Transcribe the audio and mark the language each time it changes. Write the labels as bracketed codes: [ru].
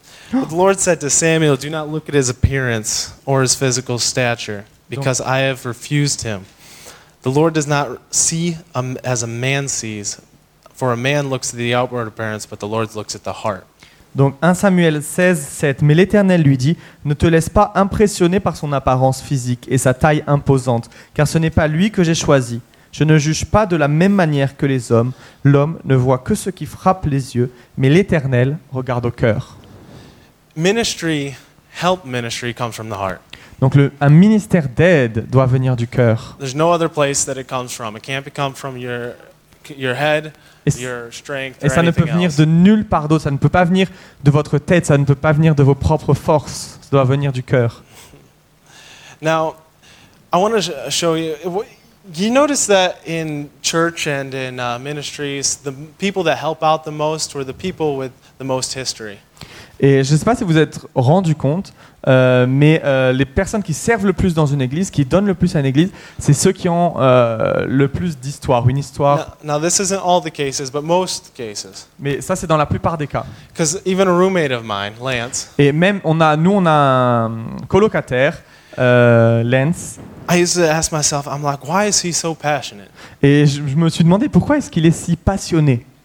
[en] The Lord said to Samuel, "Do not look at his appearance or his physical stature, because I have refused him. The Lord does not see as a man sees, for a man looks at the outward appearance, but the Lord looks at the heart." [fr] Donc 1 Samuel 16, 7, mais l'Éternel lui dit, ne te laisse pas impressionner par son apparence physique et sa taille imposante, car ce n'est pas lui que j'ai choisi. Je ne juge pas de la même manière que les hommes. L'homme ne voit que ce qui frappe les yeux, mais l'Éternel regarde au cœur. [en] Ministry comes from the heart. [fr] Donc un ministère d'aide doit venir du cœur. [en] There's no other place that it comes from. It can't come from your head. [fr] Et ça ne peut venir de nulle part d'autre, ça ne peut pas venir de votre tête, ça ne peut pas venir de vos propres forces, ça doit venir du cœur. [en] Now, I want to show you, you notice that in church and in ministries, the people that help out the most were the people with the most history. [fr] Et je ne sais pas si vous vous êtes rendu compte, mais les personnes qui servent le plus dans une église, qui donnent le plus à une église, c'est ceux qui ont le plus d'histoire, une histoire. [en] Now, this isn't all the cases, but most cases. [fr] Mais ça, c'est dans la plupart des cas. [en] Because even a roommate of mine, Lance. [fr] Et même, on a un colocataire, Lance. [en] I used to ask myself, I'm like, why is he so passionate? [fr] Et je me suis demandé pourquoi est-ce qu'il est si passionné.